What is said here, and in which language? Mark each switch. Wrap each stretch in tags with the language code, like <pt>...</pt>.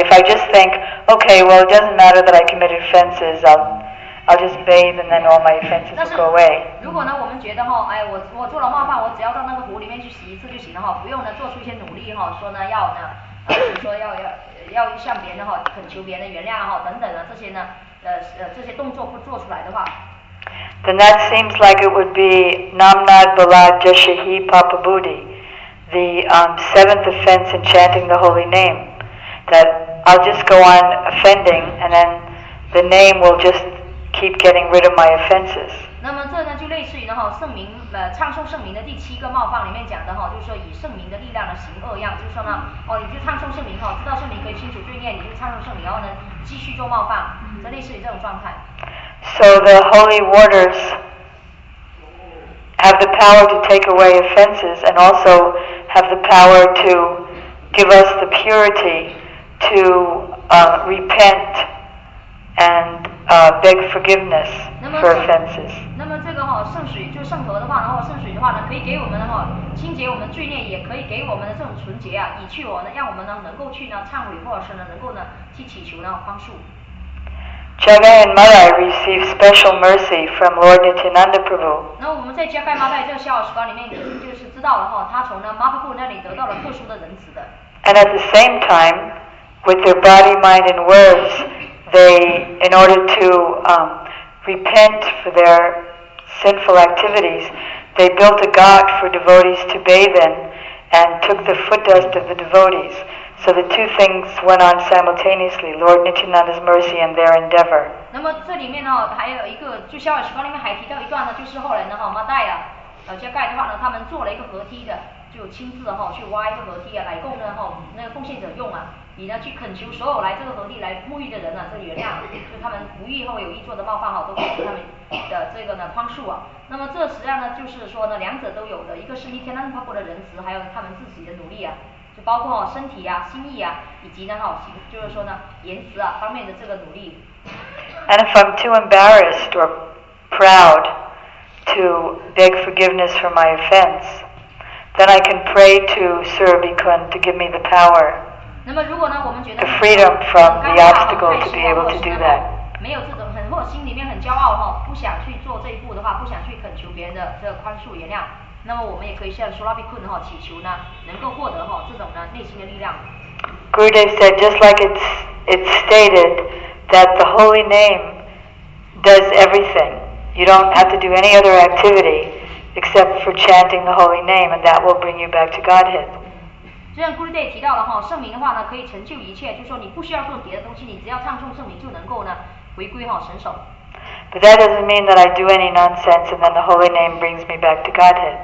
<en>If I just think, okay, well, it doesn't matter that I committed offenses, I'll just bathe and then all my offenses will go away.</en> <zh>如果呢，我们觉得哈，哎，我做了冒犯，我只要到那个湖里面去洗一次就行了哈，不用呢做出一些努力哈，说呢要呢，说要向别人哈恳求别人的原谅哈等等的这些呢，这些动作不做出来的话。</zh> <en>Then that seems like it would be</en> <sa>namnad balad jashahi papa budi.</sa> <en>The seventh offense in chanting the holy name, that I'll just go on offending and then the name will just keep getting rid of my offenses.</en> <zh>那么这呢就类似于呢哈圣名唱诵圣名的第七个冒犯里面讲的哈，就是说以圣名的力量呢行恶样，就是说呢哦你就唱诵圣名哈，知道圣名可以清除罪孽，你就唱诵圣名，然后呢继续做冒犯，这类似于这种状态。</zh> <en>So the holy waters. Have the power to take away offenses and also have the power to give us the purity to repent and beg forgiveness for offenses.</en> <zh>那么这个哈圣水就圣河的话，然后圣水的话呢，可以给我们的哈清洁我们罪孽，也可以给我们的这种纯洁啊，以去我呢，让我们呢能够去呢忏悔，或者是呢能够呢去祈求呢宽恕。</zh> <en>Jagai and Madai receive special mercy from Lord Nityananda Prabhu.</en> <zh>那我们在 Jagai Madai 这个逍遥时光里面，就是知道了哈，他从呢 Mahaprabhu 那里得到了特殊的仁慈的。</zh> <en>And at the same time, with their body, mind, and words, they, in order to repent for their sinful activities, they built a ghat for devotees to bathe in, and took the foot dust of the devotees. So the two things went on simultaneously, Lord Nityananda's mercy and their endeavor.</en> <zh>那么这里面呢，还有一个，就逍遥时光里面还提到一段呢，就是后来呢，哈，马代啊，加盖的话呢，他们做了一个河梯的，就亲自哈去挖一个河梯啊，来供呢，哈，那个奉献者用啊，以呢去恳求所有来这个河梯来沐浴的人呢，这原谅，就他们无意或有意做的冒犯哈，都给他们的这个呢宽恕啊。那么这实际上呢，就是说呢，两者都有的，一个是弥天那佛的仁慈，还有他们自己的努力啊。包括身体啊、心意啊，以及呢，哈，就是说呢，言辞啊方面的这个努力。</zh> <en>And if I'm too embarrassed or proud to beg forgiveness for my offense, then I can pray to Surabikun to give me the power.</en> <zh>那么如果呢，我们觉得</zh> <en>the freedom from the obstacle to be able to do that.</en> <zh>没有这种很，或心里面很骄傲哈，不想去做这一步的话，不想去恳求别人的这个宽恕原谅。那么我们也可以向 Surabikun 哈祈求呢，能够获得哈这种呢内心的力量。</zh> <en>Gurudev said, just like it's stated that the holy name does everything. You don't have to do any other activity except for chanting the holy name, and that will bring you back to Godhead.</en> <zh>虽然 Guru Dev 提到了哈，圣名的话呢可以成就一切，就是说你不需要做别的东西，你只要唱诵圣名就能够呢回归哈神手。</zh> <en>But that doesn't mean that I do any nonsense and then the holy name brings me back to Godhead.</en>